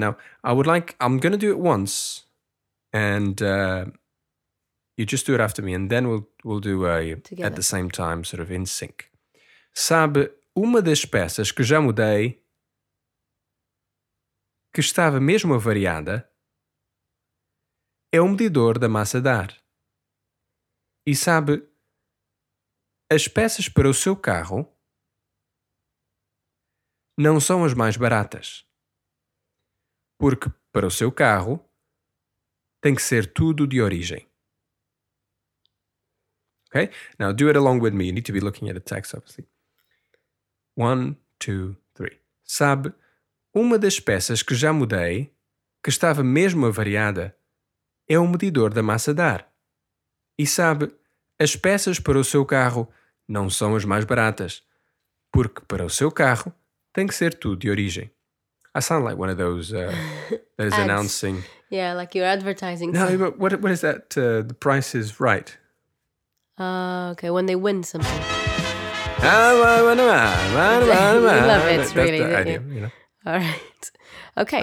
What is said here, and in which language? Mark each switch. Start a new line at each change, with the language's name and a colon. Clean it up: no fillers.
English: Now, I'm going to do it once and you just do it after me and then we'll do at the same time, sort of in sync.
Portuguese: Sabe, uma das peças que já mudei que estava mesmo avariada, é o medidor da massa de ar. E sabe, as peças para o seu carro não são as mais baratas. Porque para o seu carro tem que ser tudo de origem.
English: Ok? Now do it along with me. You need to be looking at the text, obviously. 1, 2, 3.
Portuguese: Sabe, uma das peças que já mudei, que estava mesmo avariada, é o medidor da massa de ar. E sabe, as peças para o seu carro não são as mais baratas, porque para o seu carro tem que ser tudo de origem.
English: I sound like one of those that is announcing. Yeah, like your advertising. No, but what is that? The Price is Right. Okay, when they win something. I love it, that's really. That's the idea, you know? All right. Okay.